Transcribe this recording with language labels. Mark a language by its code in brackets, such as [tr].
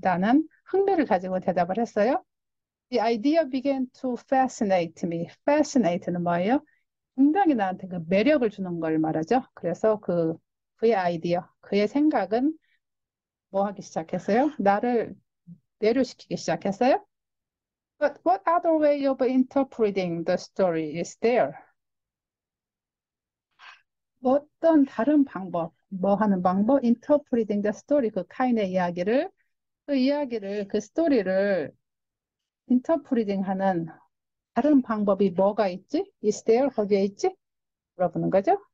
[ko] 나는 흥미를 가지고 대답을 했어요. [en] The idea began to fascinate me. Fascinate는 [ko] 뭐예요? 굉장히 나한테 그 매력을 주는 걸 말하죠. 그래서 그의 아이디어, 그의 생각은 뭐 하기 시작했어요? 나를 매료시키기 시작했어요? [en] But what other way of interpreting the story is there? [ko] 어떤 다른 방법, 뭐 하는 방법? [en] Interpreting the story, [ko] 그 카인의 이야기를, 그 이야기를, 그 스토리를 interpreting 하는 다른 방법이 뭐가 있지? [en] Is there? [ko] 거기에 있지? 물어보는 거죠.